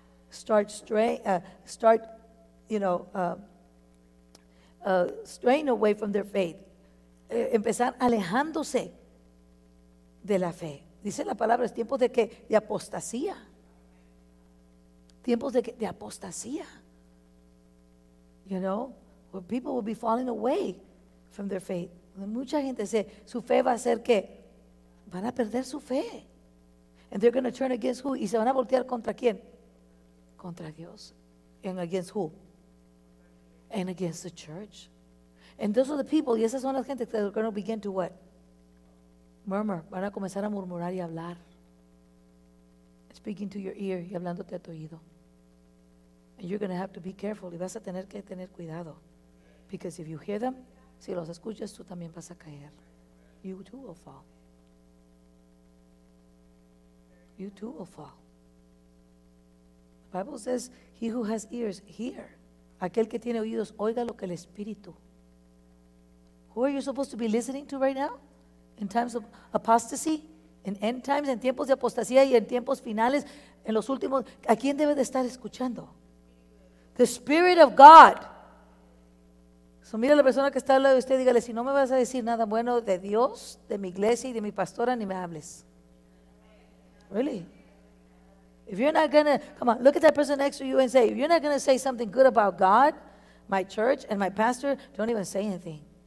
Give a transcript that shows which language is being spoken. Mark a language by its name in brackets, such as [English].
[English] Straying away from their faith. [Spanish] Empezar alejándose de la fe. Dice la palabra, es tiempo de que de apostasía. Tiempos de apostasía. [English] You know, where people will be falling away from their faith. [Spanish] Mucha gente dice, su fe va a ser que van a perder su fe. [English] And they're going to turn against who? [Spanish] ¿Y se van a voltear contra quién? Contra Dios. [English] And against who? And against the church. And those are the people, [Spanish] y esas son las gentes [English] that are going to begin to what? Murmur. [Spanish] Van a comenzar a murmurar y hablar. [English] Speaking to your ear [Spanish] y hablándote a tu oído. [English] And you're going to have to be careful. [Spanish] Y vas a tener que tener cuidado. [English] Because if you hear them, [Spanish] si los escuchas, tú también vas a caer. [English] You too will fall. You too will fall. The Bible says, he who has ears, hear. Aquel que tiene oídos, oiga lo que el Espíritu. Who are you supposed to be listening to right now? In times of apostasy? In end times, [Spanish] en tiempos de apostasía y en tiempos finales, en los últimos, ¿a quién debe de estar escuchando? [English] The Spirit of God. [Spanish] So mira la persona que está al lado de usted, dígale, si no me vas a decir nada bueno de Dios, de mi iglesia y de mi pastora, ni me hables. [English] Really? If you're not going to, come on, look at that person next to you and say, if you're not going to say something good about God, my church, and my pastor, don't even say anything.